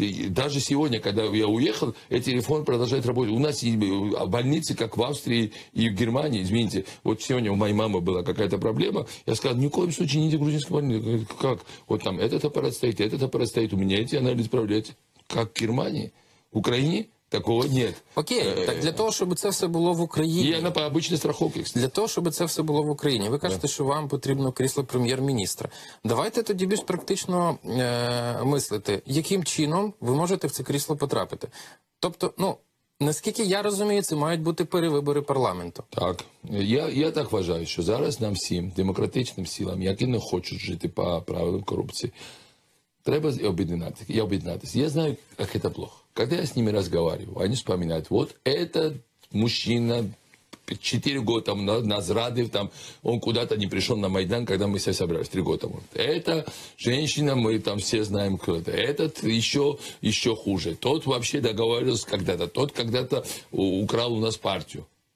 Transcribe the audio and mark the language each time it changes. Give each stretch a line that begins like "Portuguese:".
Russian: Даже сегодня, когда я уехал, эти реформы продолжают работать. У нас больницы, как в Австрии и в Германии, извините, вот сегодня у моей мамы была какая-то проблема, я сказал, ни в коем случае не идите в грузинскую больницу. Как? Вот там этот аппарат стоит, у меня эти анализы проверяются. Как в Германии? В Украине? Такого нет.
Ukrainian: Окей, так для того, щоб це все було в Україні. Є на обычній страховці. Для того, щоб це все було в Україні. Ви кажете, що вам потрібно крісло прем'єр-міністра. Давайте тоді більш практично мислити, яким чином ви можете в це крісло потрапити. Тобто, наскільки я розумію, це мають бути перевибори парламенту. Так, я так вважаю, що зараз нам всім, демократичним силам, які не хочуть жити по правилам корупції, треба об'єднатися. Я знаю, як це плохо.
Russian: Когда я с ними разговариваю, они вспоминают, вот этот мужчина 4 года там, Назрадов, там, он куда-то не пришел на Майдан, когда мы все собрались, 3 года. Вот. Эта женщина, мы там все знаем, кто это. Этот еще хуже. Тот вообще договаривался когда-то, тот когда-то украл у нас партию.